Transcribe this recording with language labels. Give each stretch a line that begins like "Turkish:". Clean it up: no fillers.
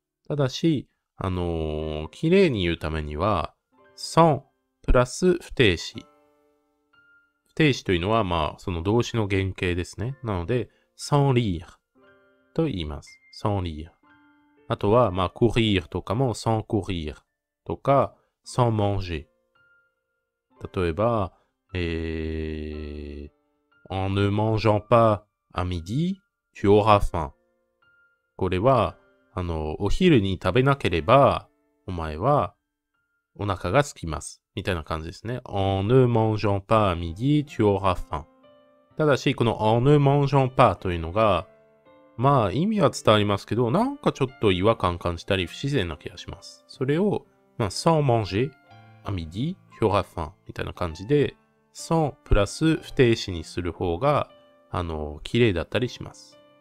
Japanese: ただし、綺麗に言うためには、sans プラス不定詞。不定詞というのは、まあその動詞の原型ですね。なので、
French: sans lire
Japanese: と言います。sans lire。あとは、まあ courir とかも、
French: sans courir
Japanese: とか、
French: sans manger. 例えば、en ne mangeant pas à midi, tu auras faim.
Japanese: これは、お昼に食べなければ、お前はお腹が空きます。みたいな感じですね。
French: en ne mangeant pas à midi, tu auras faim.
Japanese: ただし、この
French: en ne mangeant pas
Japanese: というのが、まあ、意味は伝わりますけど、なんかちょっと違和感感じたり、不自然な気がします。それを、まあ、
French: sans manger, à midi, tu auras faim,
Japanese: みたいな感じで、sans プラス不定詞にする方が、綺麗だったりします。